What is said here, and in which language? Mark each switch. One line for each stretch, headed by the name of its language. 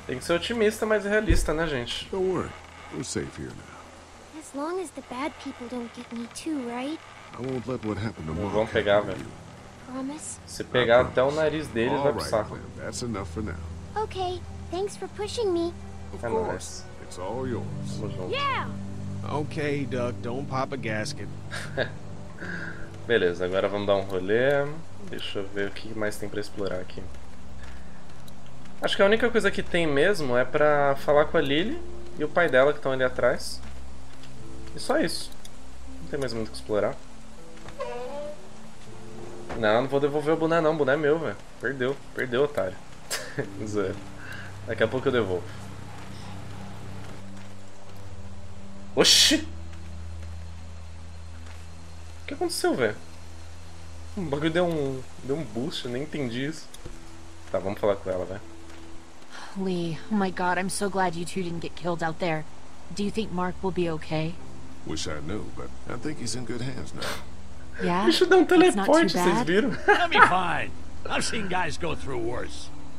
Portuguese: Tem que ser otimista, mas realista, né, gente?
English: Don't worry. We're safe here now. As long as the bad people don't get me too, right? I won't let what happened to Mark.
Portuguese: Vamos pegar, velho. Se pegar até o nariz deles, vai pro saco.
English: That's enough for now. Okay, thanks for pushing me. Of course. It's all yours. Yeah. Okay, Duck, don't pop a gasket.
Portuguese: Beleza, agora vamos dar um rolê. Deixa eu ver o que mais tem pra explorar aqui. Acho que a única coisa que tem mesmo é pra falar com a Lily e o pai dela que estão ali atrás. E só isso. Não tem mais muito o que explorar. Não, não vou devolver o boné não, o boné é meu, velho. Perdeu, perdeu, otário. Daqui a pouco eu devolvo. Oxi! O que aconteceu, velho? O bagulho deu um boost, eu nem entendi isso. Tá, vamos falar com ela, velho.
English: Lee, oh my god, I'm so glad you two didn't get killed out there. Do you think Mark will be okay? Wish I knew, but I think he's in good hands now. Yeah.
Portuguese: Deixa eu dar um teleporte, vocês viram?
English: I'll be fine. I've seen guys go through worse.